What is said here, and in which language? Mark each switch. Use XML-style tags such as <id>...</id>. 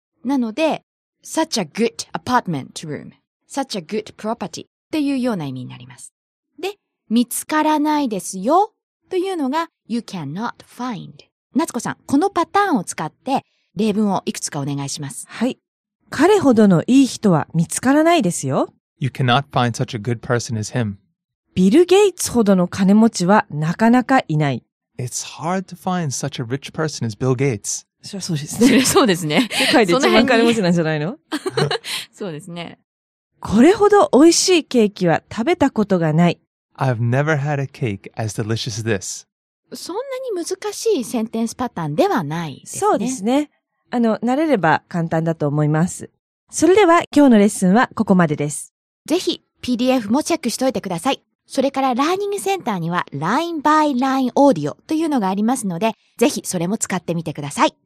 <ja>なので、</ja> <en>such a good apartment room, such a good property</en> <ja>っていうような意味になります。で、見つからないですよというのが、</ja> <en>you cannot find.</en> <ja>夏子さん、このパターンを使って、例文をいくつかお願いします。はい。彼ほどのいい人は見つからないですよ。</ja> <en>You cannot find such a good person as him.</en> <ja>ビル・ゲイツほどの金持ちはなかなかいない。</ja> <en>It's hard to find such a rich person as Bill Gates.</en> <ja>そりゃそうですね。そうですね。世界で一番金持ちなんじゃないの？そうですね。これほど美味しいケーキは食べたことがない。</ja> <en>I've never had a cake as delicious as this.</en> <ja>そんなに難しいセンテンスパターンではないですね。そうですね。慣れれば簡単だと思います。それでは今日のレッスンはここまでです。ぜひ PDF もチェックしておいてください。それからラーニングセンターには Line by Line Audio というのがありますので、ぜひそれも使ってみてください。</ja>